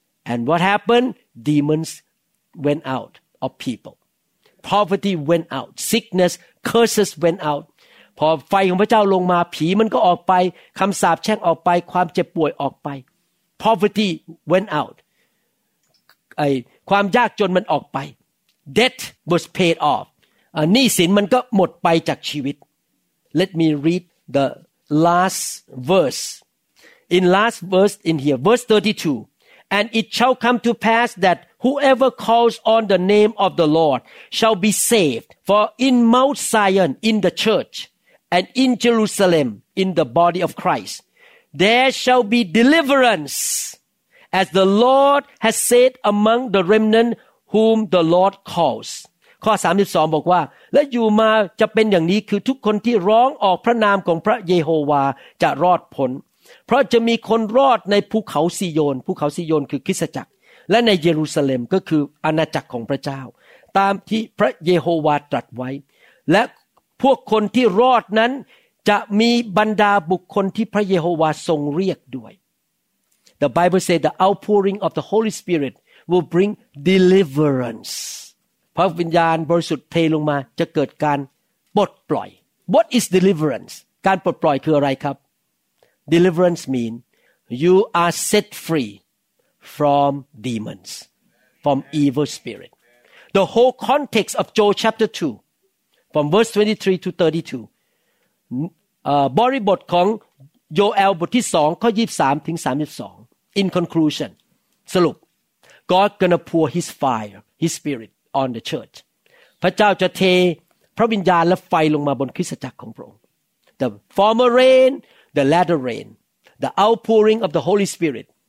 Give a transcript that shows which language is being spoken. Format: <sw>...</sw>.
<en>and what happened demons went out of people poverty went out sickness curses went out</en> <th>พอไฟของพระเจ้าลงมาผีมันก็ออกไปคำสาปแช่งออกไปความเจ็บป่วยออกไป</th> <en>poverty went out</en> <th>ไอ้ความยากจนมันออกไป</th> <en>debt was paid off</en> <th>หนี้สินมันก็หมดไปจากชีวิต</th> <en>Let me read the last verse. In last verse in here, verse 32. And it shall come to pass that whoever calls on the name of the Lord shall be saved. For in Mount Zion, in the church, and in Jerusalem, in the body of Christ, there shall be deliverance, as the Lord has said among the remnant whom the Lord calls.</en> <th>ข้อ32บอกว่าและอยู่มาจะเป็นอย่างนี้คือทุกคนที่ร้องออกพระนามของพระเยโฮวาจะรอดพ้นเพราะจะมีคนรอดในภูเขาซิโยนภูเขาซิโยนคือคริสตจักรและในเยรูซาเล็มก็คืออาณาจักรของพระเจ้าตามที่พระเยโฮวาตรัสไว้ และพวกคนที่รอดนั้นจะมีบรรดาบุคคลที่พระเยโฮวาทรงเรียกด้วย</th> <en>The Bible says the outpouring of the Holy Spirit will bring deliverance</en> <th>พระวิญญาณบริสุทธิ์เทลงมาจะเกิดการปลดปล่อย</th> <en>What is deliverance?</en> <th>การปลดปล่อยคืออะไรครับ</th> <en>Deliverance means you are set free from demons, from evil spirit. The whole context of Joel chapter 2, from verse 23 to 32,</en> <th>บริบทของโยเอลบทที่2ข้อ23ถึง32</th> <en>In conclusion,</en> <th>สรุป</th> <en>God gonna pour his fire, his spiritOn the church,</en> <th>พระเจ้าจะเทพระวิญญาณและไฟลงมาบนคริสตจักรของพระองค์</th> <en>The former rain, the latter rain, the outpouring of the Holy Spirit.</en>